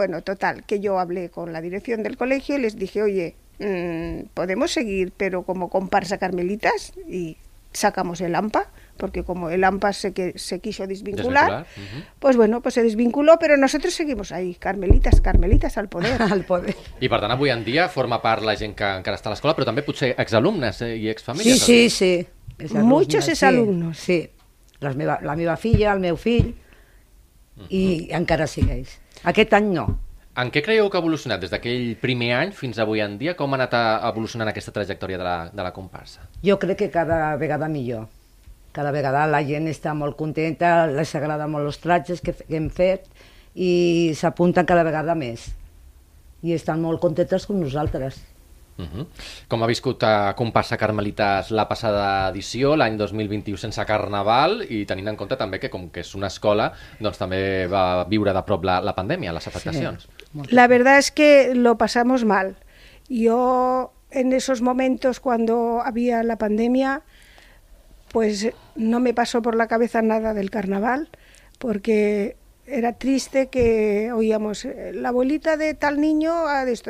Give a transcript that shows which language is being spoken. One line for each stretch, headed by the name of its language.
Spanish: Bueno, total, que yo hablé con la dirección del colegio y les dije, oye, podemos seguir, pero como comparsa Carmelitas, y sacamos el AMPA, porque como el AMPA se quiso desvincular, uh-huh. Pues bueno, pues se desvinculó, pero nosotros seguimos ahí, Carmelitas al poder. Al poder.
Catalan: I per tant, avui en dia forma part la gent que encara està a l'escola, però també potser exalumnes i exfamílies. Sí.
Spanish: Muchos exalumnos.
Catalan: Sí. La meva filla, el meu fill... I encara sigueix. Aquest any no. En què creieu que ha evolucionat des d'aquell primer any fins avui en dia? Com ha anat evolucionant aquesta trajectòria de la comparsa? Jo crec que cada vegada millor. Cada vegada la gent està molt contenta, les agrada molt els trajes que hem fet i s'apunten cada vegada més. I estan molt contentes com nosaltres. Com ha viscut a Compassa Carmelitas la passada edició, l'any 2021 sense carnaval, i tenint en compte també que com que és una escola, doncs també va viure de prop la pandèmia, les afectacions.
Spanish: Sí. La verdad es que lo pasamos mal. Yo en esos momentos cuando había la pandemia, pues no me pasó por la cabeza nada del carnaval, porque era triste que oíamos la abuelita de tal niño a esto.